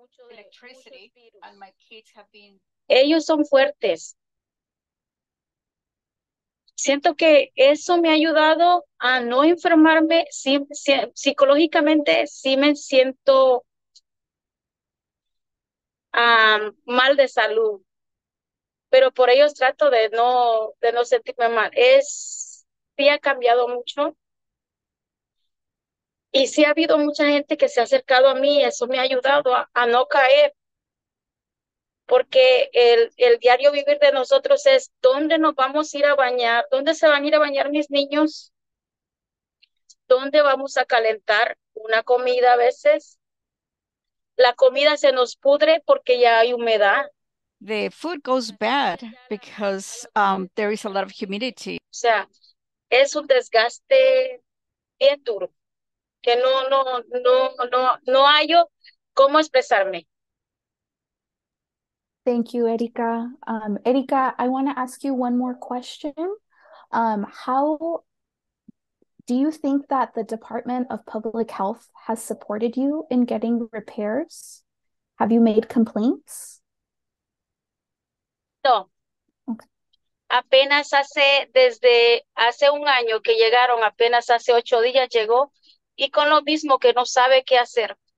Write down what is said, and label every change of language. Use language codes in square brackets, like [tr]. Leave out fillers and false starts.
[en] electricity, and my kids have been. [es] Ellos son fuertes. Siento que eso me ha ayudado a no enfermarme. Sí, psicológicamente sí me siento mal de salud, pero por ellos trato de no sentirme mal. Sí ha cambiado mucho. Y sí ha habido mucha gente que se ha acercado a mí, eso me ha ayudado a no caer. Porque el diario vivir de nosotros es, ¿dónde nos vamos a ir a bañar? ¿Dónde se van a ir a bañar mis niños? ¿Dónde vamos a calentar una comida a veces? La comida se nos pudre porque ya hay humedad. [en] The food goes bad because there is a lot of humidity. [es] O sea, es un desgaste bien duro. Que no hallo cómo expresarme. [en] Thank you, Erika. Erika, I want to ask you one more question. How do you think that the Department of Public Health has supported you in getting repairs? Have you made complaints? [es] No. Apenas desde hace un año que llegaron, apenas hace 8 días llegó, y con lo mismo que no sabe qué hacer.